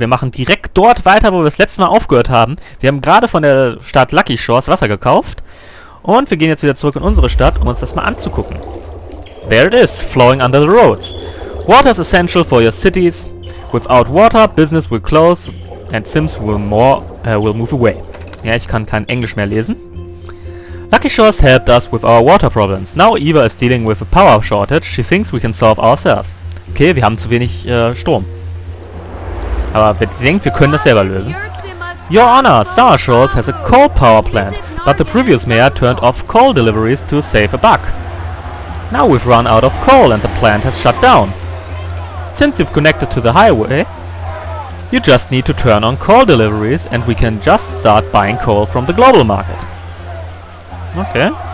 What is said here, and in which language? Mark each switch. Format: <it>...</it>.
<de>Wir machen direkt dort weiter, wo wir das letzte Mal aufgehört haben. Wir haben gerade von der Stadt Lucky Shores Wasser gekauft. Und wir gehen jetzt wieder zurück in unsere Stadt, um uns das mal anzugucken.</de> <en>There it is, flowing under the roads. Water is essential for your cities. Without water, business will close and Sims will move away.</en> <de>Ja, ich kann kein Englisch mehr lesen.</de> <en>Lucky Shores helped us with our water problems. Now Eva is dealing with a power shortage. She thinks we can solve ourselves. Okay,</en> <de>wir haben zu wenig Strom. Aber sie denkt, wir können das selber lösen.</de> <en>Your Honor, Summer Shores has a coal power plant, but the previous mayor turned off coal deliveries to save a buck. Now we've run out of coal and the plant has shut down. Since you've connected to the highway, you just need to turn on coal deliveries and we can just start buying coal from the global market. Okay.</en>